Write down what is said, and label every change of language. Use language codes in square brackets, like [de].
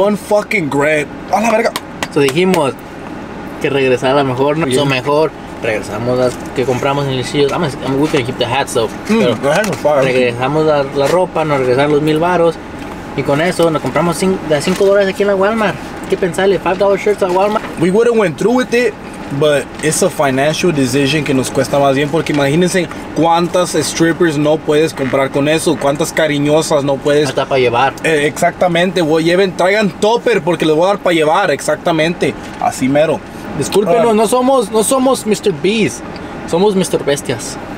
[en] One fucking grand. [es] A la verga. So dijimos que regresar a lo mejor, no, so mejor regresamos a que compramos en el sitio. [en] We can keep the hats off. [es] Regresamos la ropa, nos regresaron los 1,000 baros. Y con eso nos compramos $5 aquí en la Walmart. ¿Qué pensarle? $5 shirts a Walmart. [en] We would have went through with it, but it's a financial decision [es] que nos cuesta más bien. Porque imagínense cuántas strippers no puedes comprar con eso. Cuántas cariñosas no puedes. Hasta para llevar. Exactamente. Traigan topper porque les voy a dar para llevar. Exactamente. Así mero. Discúlpenos, no somos Mr. Beast. Somos Mr. Bestias.